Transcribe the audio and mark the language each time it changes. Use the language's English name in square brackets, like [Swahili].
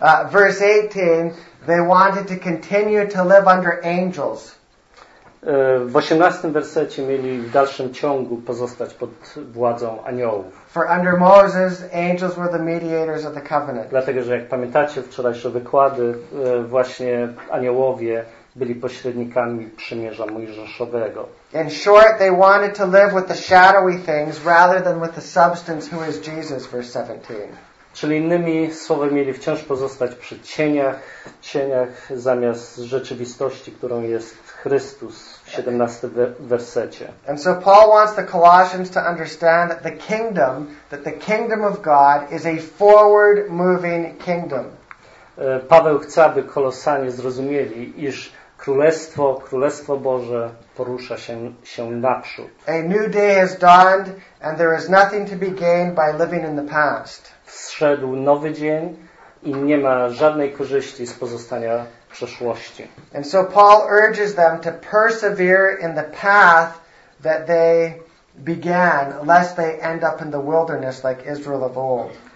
[English] Verse 18, they wanted to continue to live under angels. [Polish] W 18 wersecie mieli w dalszym ciągu pozostać pod władzą aniołów. [English] For under Moses, angels were the mediators of the covenant. [Polish] Dlatego, że jak pamiętacie wczorajsze wykłady, właśnie aniołowie byli pośrednikami przymierza Mojżeszowego. [English] In short, they wanted to live with the shadowy things rather than with the substance who is Jesus, verse 17. [Polish] Czyli innymi słowy, mieli wciąż pozostać przy cieniach zamiast rzeczywistości, którą jest Chrystus w 17 wersecie. [English] And so Paul wants the Colossians to understand that the kingdom of God is a forward moving kingdom. [Polish] Paweł chce, aby Kolosanie zrozumieli, iż Królestwo Boże porusza się naprzód. [English] A new day has dawned and there is nothing to be gained by living in the past. [Polish] Wszedł nowy dzień i nie ma żadnej korzyści z pozostania w przeszłości. [English] And so Paul urges them to persevere in the path that they began, lest they end up in the wilderness like Israel of old.